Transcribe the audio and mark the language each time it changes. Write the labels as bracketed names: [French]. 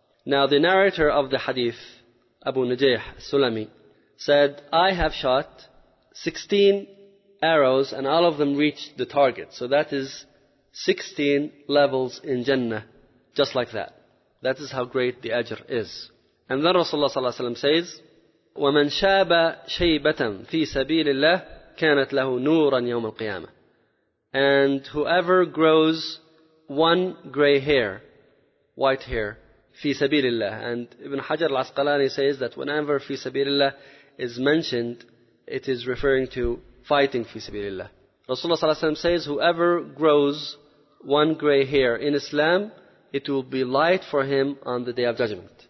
[English] Now the narrator of the hadith, Abu Najih Sulami, said, I have shot 16 arrows and all of them reached the target. So that is 16 levels in Jannah, just like that. That is how great the ajr is. And then Rasulullah sallallahu alaihi wasallam says, [Arabic] وَمَنْ شَابَ شَيْبَةً فِي سَبِيلِ اللَّهِ كَانَتْ لَهُ نُورًا يَوْمَ الْقِيَامَةِ. [English] And whoever grows one gray hair, white hair, [Arabic] فِي سَبِيلِ اللَّهِ. [English] And Ibn Hajar al-Asqalani says that whenever [Arabic] فِي سَبِيلِ اللَّهِ [English] is mentioned, it is referring to fighting fi sabilillah. Rasulullah sallallahu alaihi wasallam says, whoever grows one gray hair in Islam, it will be light for him on the day of judgment.